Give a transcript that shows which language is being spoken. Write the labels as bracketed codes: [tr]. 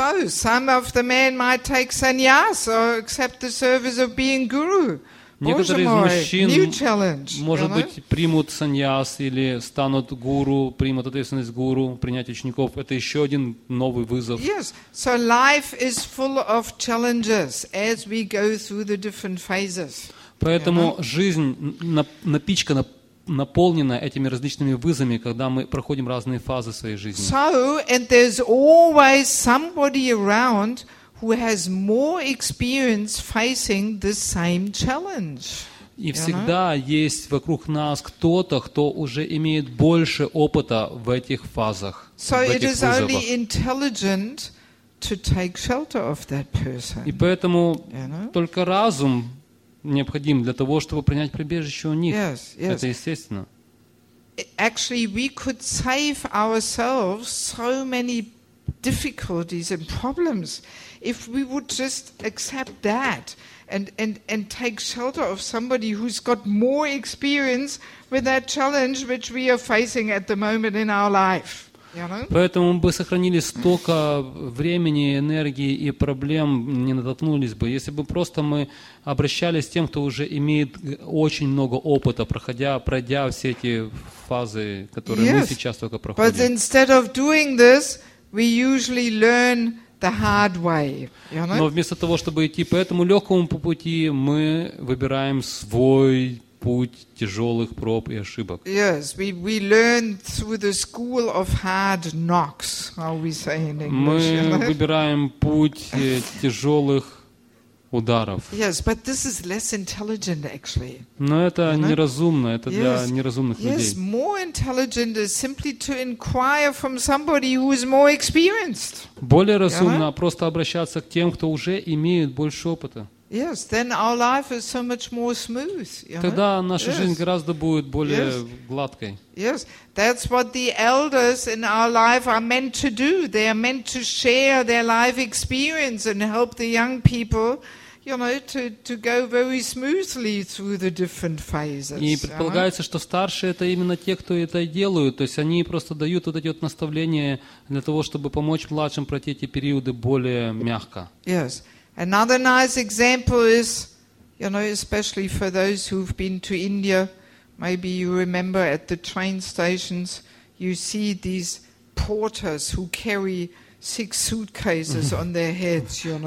[en] So, some of the men might take sannyas or accept the service of being guru. [ru] Некоторые из мужчин, может быть, примут саньяс или станут гуру, примут ответственность гуру, принять учеников. Это еще один новый вызов. [en] Yes. So life is full of challenges as we go through the different phases. [ru] Поэтому жизнь напичкана, наполнена этими различными вызовами, когда мы проходим разные фазы своей жизни. [en] So, and there's always somebody around who has more experience facing the same challenge. [ru] И всегда есть вокруг нас кто-то, кто уже имеет больше опыта в этих фазах, so в этих вызовах. [en] Only intelligent to take shelter of that person. [ru] И поэтому только разум необходим для того, чтобы принять прибежище у них. [en] Yes, yes. [ru] Это естественно. [en] Actually, we could save ourselves so many difficulties and problems if we would just accept that and take shelter of somebody who's got more experience with that challenge which we are facing at the moment in our life. [ru] Поэтому мы бы сохранили столько времени, энергии и проблем, не натолкнулись бы, если бы просто мы обращались с тем, кто уже имеет очень много опыта, пройдя все эти фазы, которые мы сейчас только проходим. [en] But instead of doing this, we usually learn the hard way. [ru] Но вместо того, чтобы идти по этому легкому пути, мы выбираем свой путь тяжелых проб и ошибок. [en] Yes, we learn through the school of hard knocks, how we say in English. [ru] Мы выбираем путь тяжелых ударов. [en] Yes, but this is less intelligent, actually. [ru] Но это неразумно, это для неразумных людей. [en] Yes, more intelligent is simply to inquire from somebody who is more experienced. [ru] Более разумно просто обращаться к тем, кто уже имеет больше опыта. [en] Yes, then our life is so much more smooth. [ru] Тогда наша жизнь гораздо будет более гладкой. [en] Yes, that's what the elders in our life are meant to do. They are meant to share their life experience and help the young people, to go very smoothly through the different phases. [ru] И предполагается, что старшие это именно те, кто это и делают. То есть они просто дают вот эти вот наставления для того, чтобы помочь младшим пройти эти периоды более мягко. [en] Yes. Another nice example is, especially for those who've been to India, maybe you remember at the train stations, you see these porters who carry six suitcases on their heads,